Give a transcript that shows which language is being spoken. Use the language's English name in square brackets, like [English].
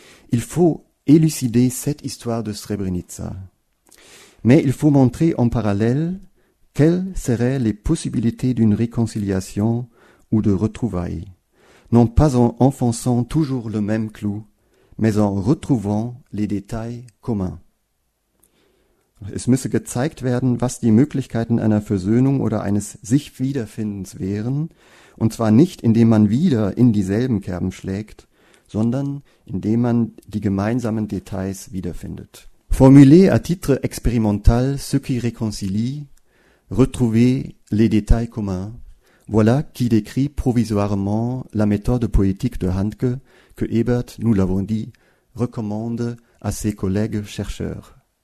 [French] Il faut élucider cette histoire de Srebrenica. Mais il faut montrer en parallèle quelles seraient les possibilités d'une réconciliation ou de retrouvailles, non pas en enfonçant toujours le même clou, mais en retrouvant les détails communs. [German] Es müsse gezeigt werden, was die Möglichkeiten einer Versöhnung oder eines Sich-Wiederfindens wären, und zwar nicht, indem man wieder in dieselben Kerben schlägt, sondern indem man die gemeinsamen Details wiederfindet. [French] Formuler à titre expérimental ce qui réconcilie, retrouver les détails communs, voilà qui décrit provisoirement la méthode poétique de Handke que Ebert, nous l'avons dit, recommande à ses collègues chercheurs.